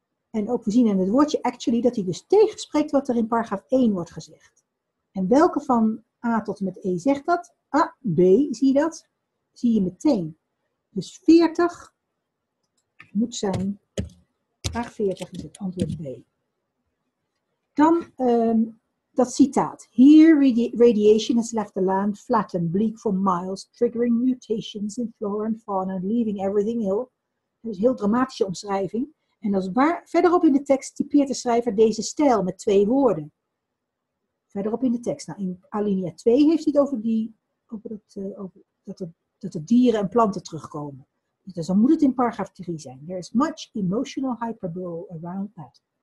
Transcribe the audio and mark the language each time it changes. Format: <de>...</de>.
<nl>En ook we zien in het woordje actually dat hij dus tegenspreekt wat er in paragraaf 1 wordt gezegd. En welke van A tot en met E zegt dat? A, B, zie je dat? Zie je meteen. Dus 40 moet zijn, vraag 40 is het antwoord B. Dan dat citaat.</nl> <en>Here radiation has left the land flat and bleak for miles, triggering mutations in flora and fauna, leaving everything ill.</en> <nl>Dat is een heel dramatische omschrijving. En als waar, verderop in de tekst typeert de schrijver deze stijl met twee woorden. Verderop in de tekst. Nou, in alinea 2 heeft hij het over dat er dieren en planten terugkomen. Dus dan moet het in paragraaf 3 zijn.</nl> <en>There is much emotional hyperbole around that.</en>